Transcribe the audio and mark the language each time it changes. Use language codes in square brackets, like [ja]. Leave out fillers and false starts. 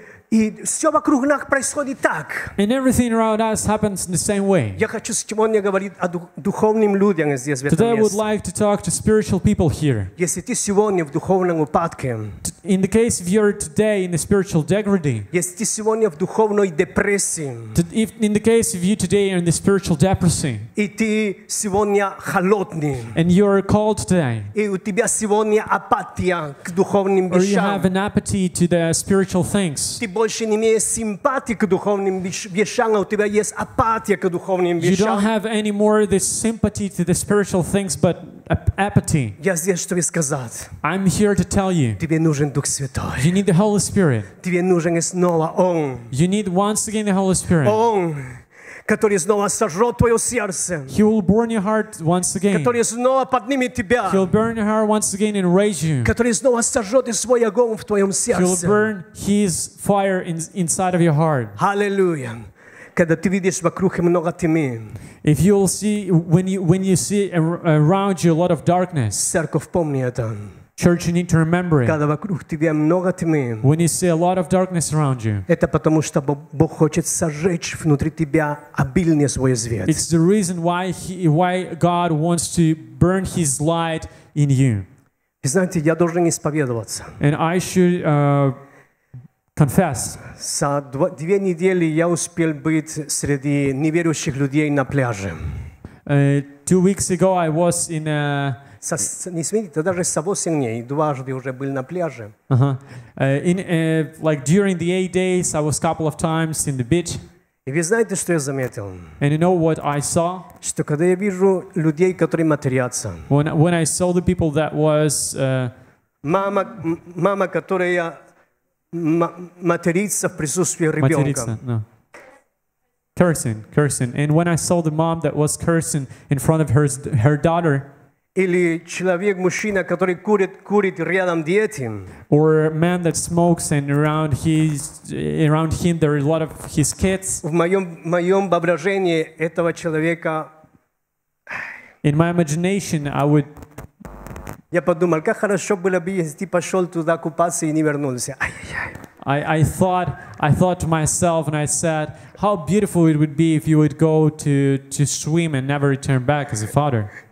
[ru] И все вокруг нас происходит так. [en] And everything around us happens in the same way. [ru] Я хочу сегодня говорить о духовным людям здесь, в этом месте. [en] Today I would like to talk to spiritual people here. [ru] Если ты сегодня в духовном упадке. [en] In the case if you're today in the spiritual degradation. [ru] Если ты сегодня в духовной депрессии. [en] In the case if you today are in the spiritual depression. [ru] И ты сегодня холодный. [en] And you're cold today. [ru] И у тебя сегодня апатия к духовным вещам. [en] Or you have an apathy to the spiritual things. [ru] Больше не имеешь симпатии к духовным вещам, а у тебя есть апатия к духовным вещам. [en] You don't have any more this sympathy to the spiritual things, but apathy. [ru] Я здесь, чтобы сказать. [en] I'm here to tell you. [ru] Тебе нужен Дух Святой. [en] You need the Holy Spirit. [ru] Тебе нужен снова Он. [en] You need once again the Holy Spirit. [ru] Он, который снова сожжет твое сердце. [en] He will burn your heart once again. [ru] Который снова поднимет тебя. [en] He will burn your heart once again and raise you. [ru] Который снова сожжет свой огонь в твоем сердце. [en] He will burn his fire inside of your heart. Hallelujah. [ru] Когда ты видишь вокруг много тьмы. [en] If you will see when you see around you a lot of darkness. [ru] Церковь, помни это. [en] Church, you need to remember it. When you see a lot of darkness around you, it's the reason why God wants to burn His light in you. And I should confess. [ru] За 2 недели я успел быть среди неверующих людей на пляже. [en] 2 weeks ago, I was in a [ru] Не смотрите, даже с 8 дней дважды уже был на пляже. [en] Like during the 8 days, I was a couple of times in the beach. [ru] И вы знаете, что я заметил? [en] And you know what I saw? [ru] Что когда я вижу людей, которые матерятся. [en] When I saw the people that was [ru] мама, которая матерится в присутствии ребенка. Материться, [en] no. Cursing. And when I saw the mom that was cursing in front of her daughter. [ru] Или человек, мужчина, который курит рядом дети. [en] Or a man that smokes and around him there are a lot of his kids. [ru] В моем воображении этого человека. [en] In my imagination, I would. [ru] Я подумал, как хорошо было бы, если ты пошел туда купаться и не вернулся. [en] I thought to myself, and I said, how beautiful it would be if you would go to swim and never return back as a father.